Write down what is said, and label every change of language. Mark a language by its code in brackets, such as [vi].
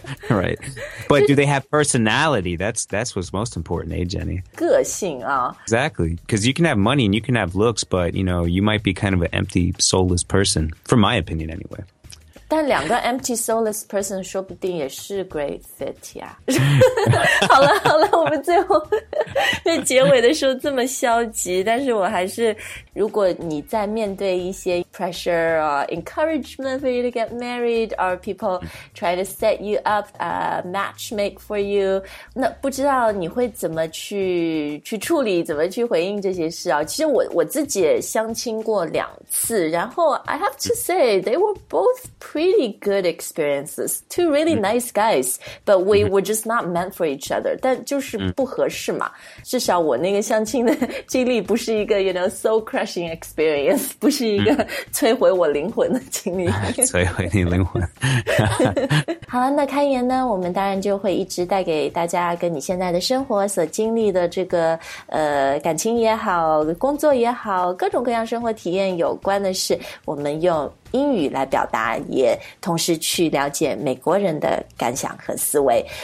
[en] Right. But do they have personality? That's what's most important, eh, Jenny? [zh] 个性啊。 [en] Exactly. Because you can have money and you can have looks, but, you know, you might be kind of an empty, soulless person, from my opinion, anyway. [zh] 但两个 empty soulless person 说不定也是 [en] great fit [zh] 呀。好了好了，我们最后在结尾的时候这么消极，但是我还是，如果你在面对一些 [en] pressure or encouragement for you [zh] to get married or people try to set you up a matchmake for you, 那不知道你会怎么去处理，怎么去回应这些事啊？其实我自己也相亲过两次，然后 [en] I have to say they were both pretty good experiences. Two really nice guys, but we were just not meant for each other. [zh] 但就是不合适嘛。至少我那个相亲的经历不是一个 [en] you know, soul crushing experience, [zh] 不是一个摧毁我灵魂的经历。摧毁你灵魂。好了，那开言呢，我们当然就会一直带给大家跟你现在的生活所经历的这个感情也好，工作也好，各种各样生活体验有关的事，我们用英语来表达，也同时去了解美国人的感想和思维。